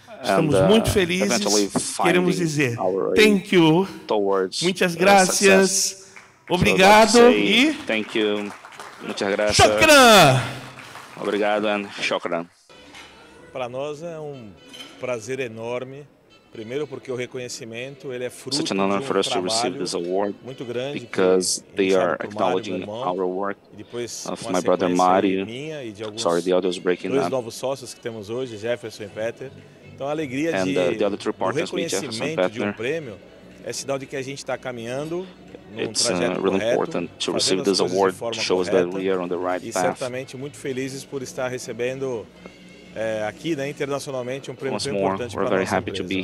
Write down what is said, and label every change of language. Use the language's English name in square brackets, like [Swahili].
[Portuguese] Estamos muito felizes, queremos dizer [English] thank you, [Portuguese] muitas graças, obrigado e [English] thank you, [Portuguese] muitas graças. [Arabic] Shukran! [Portuguese] Obrigado and shukran. Para nós é um prazer enorme. Primeiro porque o reconhecimento ele é fruto de um trabalho muito grande, [English] because they are acknowledging our work of my brother Mario. Sorry, the audio is breaking up. [Portuguese] Dois novos sócios que temos hoje, Jefferson e Peter. Então a alegria de o reconhecimento de um prêmio é sinal de que a gente está caminhando num trajeto correto, fazendo as coisas de forma [English] shows [Portuguese] correta, [English] that we are on the right [Portuguese] e [English] path. [Portuguese] Certamente muito felizes por estar recebendo aqui, né, internacionalmente, um prêmio importante para a nossa empresa.